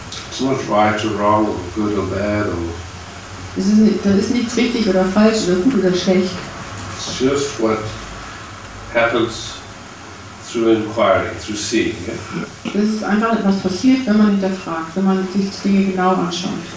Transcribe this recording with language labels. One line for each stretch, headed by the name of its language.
English: It's not right or wrong, or good or bad, or.
German: Das ist nichts richtig oder falsch oder gut oder schlecht.
English: It's just what happens through inquiry, through seeing.
German: Das ist einfach etwas passiert, wenn man hinterfragt, wenn man sich Dinge genau anschaut.